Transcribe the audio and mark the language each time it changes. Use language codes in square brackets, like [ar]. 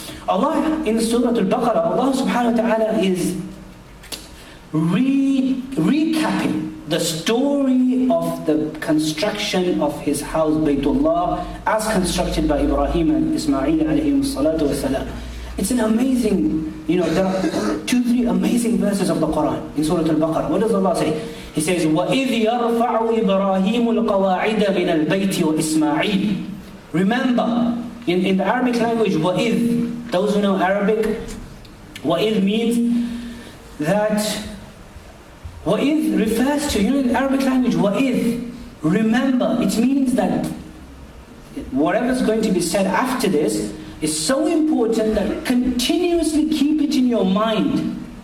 [en] Allah, in Surah Al-Baqarah, Allah subhanahu wa ta'ala is recapping the story of the construction of his house, Baytullah, as constructed by Ibrahim and Ismail alayhi salatu wasalam. It's an amazing, you know, there are two, three amazing verses of the Quran in Surah Al-Baqarah. What does Allah say? He says, [ar] وَإِذْ يَرْفَعُ إِبْرَاهِيمُ الْقَوَاعِدَ مِنَ الْبَيْتِ وَإِسْمَاعِيلِ. [en] Remember, in the Arabic language, وَإِذْ, those who know Arabic, وَإِذْ means that, وَإِذْ refers to, you know, in the Arabic language, وَإِذْ, remember, it means that whatever's going to be said after this, it's so important that continuously keep it in your mind.